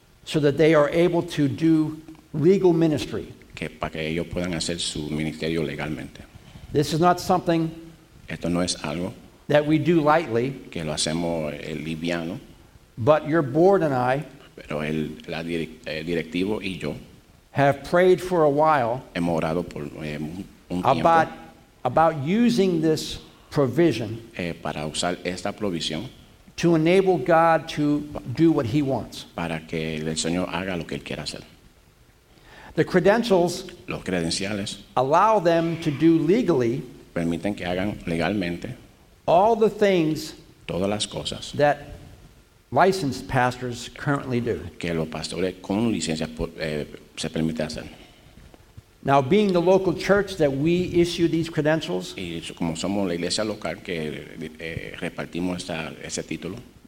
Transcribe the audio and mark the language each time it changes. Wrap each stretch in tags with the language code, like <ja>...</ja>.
<en>so that they are able to do legal ministry.</en> <es>Que para que ellos puedan hacer su ministerio legalmente.</es> <en>This is not something,</en> <es>esto no es algo,</es> <en>that we do lightly,</en> <es>que lo hacemos liviano,</es> <en>but your board and I,</en> <es>pero el la directivo y yo,</es> <en>have prayed for a while,</en> <es>hemos orado por un tiempo,</es> <en>about using this provision,</en> <es>para usar esta provisión,</es> <en>to enable God to do what he wants,</en> <es>para que el Señor haga lo que él quiera hacer.</es> <en>The credentials,</en> <es>los credenciales,</es> <en>allow them to do legally,</en> <es>permiten que hagan legalmente,</es> <en>all the things,</en> <es>todas las cosas,</es> <en>that licensed pastors currently do.</en> <es>Que los pastores con licencia se permite hacer.</es> <en>Now, being the local church that we issue these credentials,</en> <es>y como somos la iglesia local que repartimos esta, ese título,</es>